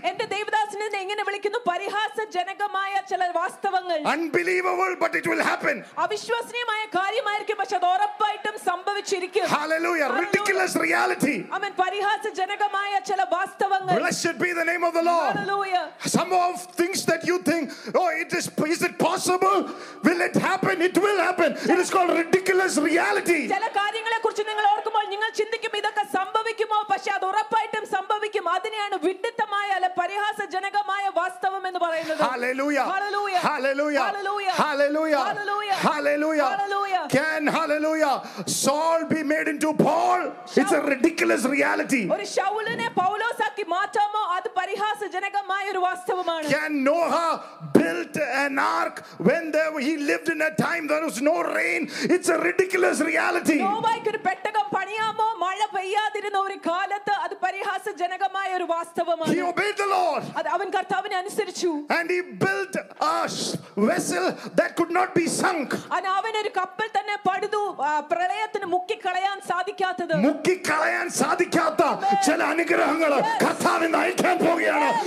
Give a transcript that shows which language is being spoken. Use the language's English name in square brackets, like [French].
[Malayalam] എന്റെ ദൈവദാസനെ എങ്ങനെ വിളിക്കുന്നു പരിഹാസജനകമായ ചില വാസ്തവങ്ങൾ. [English] Unbelievable but it will happen. [Malayalam] അവിശ്വസനീയമായ കാര്യമായിരിക്കും പക്ഷേ അത് ഉറപ്പായിട്ടും സംഭവിച്ചിരിക്കും. [English] Hallelujah. Ridiculous reality. [Malayalam] അമൻ പരിഹാസജനകമായ ചില വാസ്തവങ്ങൾ. [English] Blessed be the name of the Lord. Hallelujah. Some of things that you think oh is it possible, will it happen, it will happen. It is called ridiculous reality. [Malayalam] ചില കാര്യങ്ങളെക്കുറിച്ച് നിങ്ങൾ ഓർക്കുമ്പോൾ നിങ്ങൾ ചിന്തിക്കും ഇതൊക്കെ സംഭവിക്കുമോ പക്ഷേ അത് ഉറപ്പായിട്ടും സംഭവിക്കും. അതിനെയാണ് വിഡ്ഢിത്തമായ അല്ല പരിഹാസജനകമായ വാസ്തവം എന്ന് പറയുന്നത്. [English] Hallelujah. Hallelujah. Hallelujah. Hallelujah. Hallelujah. Hallelujah. Hallelujah. Hallelujah. Can hallelujah Saul be made into Paul? It's a ridiculous reality. [Malayalam] ഒരു ശൗലിനെ പൗലോസ് ആക്കി മാറ്റാമോ അത് പരിഹാസജനകമായ ഒരു വാസ്തവമാണ്. [English] Can Noah built an ark when he lived in a time there was no rain? It's a ridiculous reality. [Malayalam] നോവയ്ക്ക് ഒരു പെട്ടകം പണിയാമോ മഴ പെയ്യാതിരുന്ന ഒരു കാലത്ത്? അത് പരിഹാസജനകമായ ഒരു വാസ്തവമാണ്. [English] He obeyed the Lord. [Malayalam] അവൻ കർത്താവിനെ അനുസരിച്ചു. [English] And he built a vessel that could not be sunk. [Malayalam] അവൻ ഒരു കപ്പൽ തന്നെ പടുത്തു പ്രളയത്തിന് മുക്കിക്കളയാൻ സാധിക്കാത്തത്. മുക്കിക്കളയാൻ സാധിക്കാത്ത ചില അനുഗ്രഹങ്ങൾ കർത്താവ് നൽകാൻ പോവുകയാണ്.